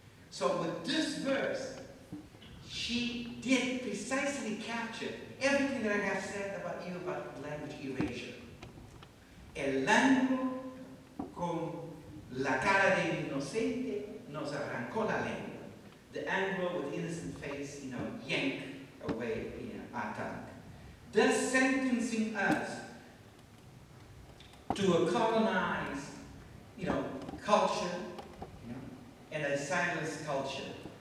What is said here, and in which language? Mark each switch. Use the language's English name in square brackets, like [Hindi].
[English] So with this verse, she did precisely capture everything that I have said about you about language erasure. [Spanish] El ángulo con la cara de inocente nos arrancó la lengua. [English] The angle with the innocent face, you know, yank away, you know, our tongue. Thus sentencing us to a colonized, you know, culture, and a silenced culture.